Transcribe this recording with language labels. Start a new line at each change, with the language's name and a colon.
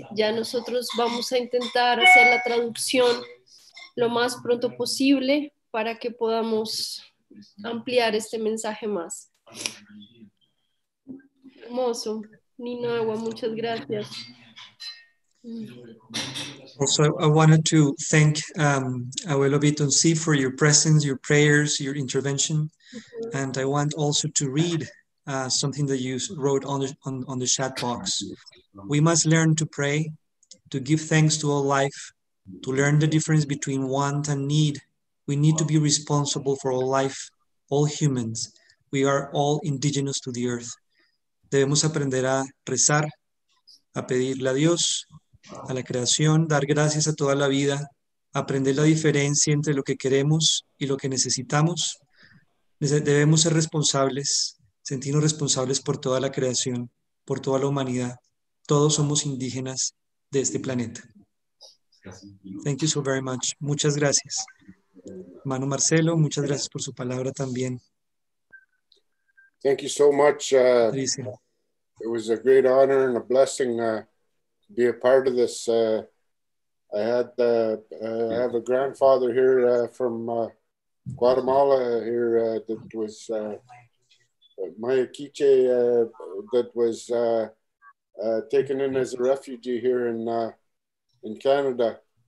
Spanish: Ya nosotros vamos a intentar hacer la traducción lo más pronto posible para que podamos ampliar este mensaje más. Hermoso. Ninagua, muchas gracias.
English: Also, I wanted to thank Abuelo Abitonsi for your presence, your prayers, your intervention. Mm-hmm. And I want also to read something that you wrote on the chat box. We must learn to pray, to give thanks to all life, to learn the difference between want and need. We need to be responsible for all life, all humans. We are all indigenous to the earth.
Spanish: Debemos aprender a rezar, a pedirle a Dios, a la creación, dar gracias a toda la vida, aprender la diferencia entre lo que queremos y lo que necesitamos. Debemos ser responsables, sentirnos responsables por toda la creación, por toda la humanidad. Todos somos indígenas de este planeta.
English: Thank you so very much.
Spanish: Muchas gracias. Hermano Marcelo, muchas gracias por su palabra también.
English: Thank you so much. Patricia. It was a great honor and a blessing to be a part of this. I have a grandfather here from Guatemala here that was Maya Quiche that was taken in as a refugee here in Canada.